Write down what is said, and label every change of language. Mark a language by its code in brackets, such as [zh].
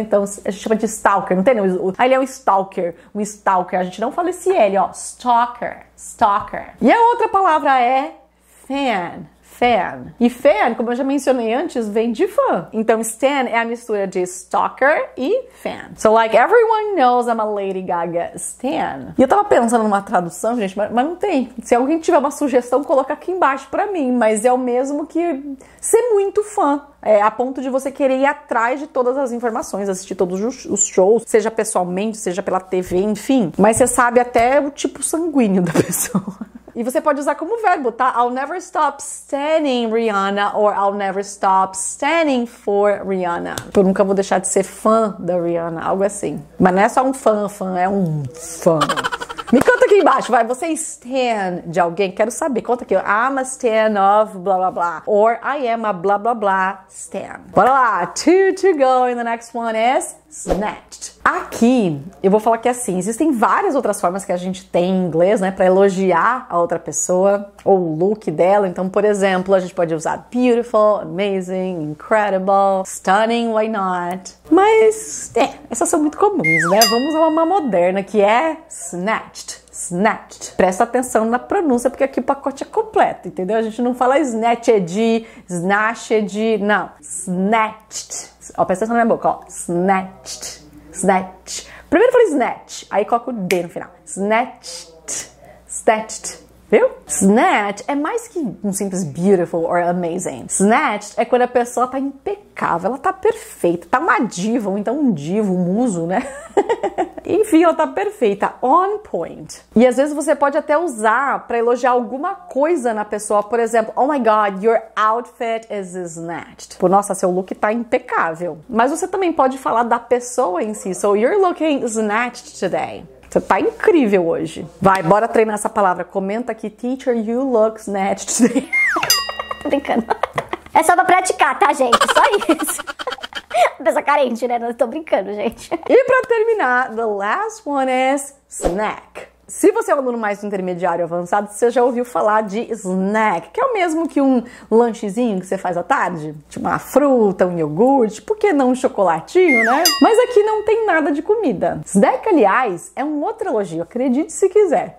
[pt] Então, a gente chama de stalker, não tem? Aí ele é um stalker, a gente não fala esse L, ó. Stalker, stalker. E a outra palavra é fan. Fan. E fan, como eu já mencionei antes, vem de fã. Então, stan é a mistura de stalker e fan. [en] So, like, everyone knows I'm a Lady Gaga stan. [pt] E eu tava pensando numa tradução, gente, mas não tem. Se alguém tiver uma sugestão, coloca aqui embaixo pra mim. Mas é o mesmo que ser muito fã. É, a ponto de você querer ir atrás de todas as informações, assistir todos os shows, seja pessoalmente, seja pela TV, enfim. Mas você sabe até o tipo sanguíneo da pessoa. E você pode usar como verbo, tá? [en] I'll never stop standing Rihanna, or I'll never stop standing for Rihanna. [pt] Eu nunca vou deixar de ser fã da Rihanna, algo assim. Mas não é só um fã, fã, é um fã. Me conta aqui embaixo, vai, você é stan de alguém? Quero saber, conta aqui. [en] I'm a stan of blah, blah, blah. Or I am a blah, blah, blah stan. [pt] Bora lá, [en] two to go, and the next one is snatched. [pt] Aqui, eu vou falar que assim, existem várias outras formas que a gente tem em inglês, né, pra elogiar a outra pessoa, ou o look dela. Então, por exemplo, a gente pode usar beautiful, amazing, incredible, stunning, [en] why not? [pt] Mas, é, essas são muito comuns, né? Vamos a uma moderna, que é snatched, snatched. Presta atenção na pronúncia, porque aqui o pacote é completo, entendeu? A gente não fala snatched, snatched, não. Snatched. Ó, presta atenção na minha boca, ó. Snatched. Snatch. Primeiro eu falei snatch, aí coloca o D no final. Snatched. Snatched. Viu? Snatch é mais que um simples [en] beautiful or amazing. [pt] Snatched é quando a pessoa tá impecável, ela tá perfeita. Tá uma diva, ou então um divo, um muso, né? Enfim, ela tá perfeita. [en] On point. [pt] E às vezes você pode até usar pra elogiar alguma coisa na pessoa. Por exemplo, [en] oh my god, your outfit is snatched. [pt] Pô, nossa, seu look tá impecável. Mas você também pode falar da pessoa em si. [en] So, you're looking snatched today. [pt] Você tá incrível hoje. Vai, bora treinar essa palavra. Comenta aqui, teacher, [en] you look snatched today. [pt] Tô brincando. É só pra praticar, tá, gente? Só isso. Pessoa carente, né? Não tô brincando, gente. E pra terminar, [en] the last one is snack. [pt] Se você é um aluno mais do intermediário avançado, você já ouviu falar de snack, que é o mesmo que um lanchezinho que você faz à tarde? Tipo uma fruta, um iogurte, por que não um chocolatinho, né? Mas aqui não tem nada de comida. Snack, aliás, é um outro elogio, acredite se quiser.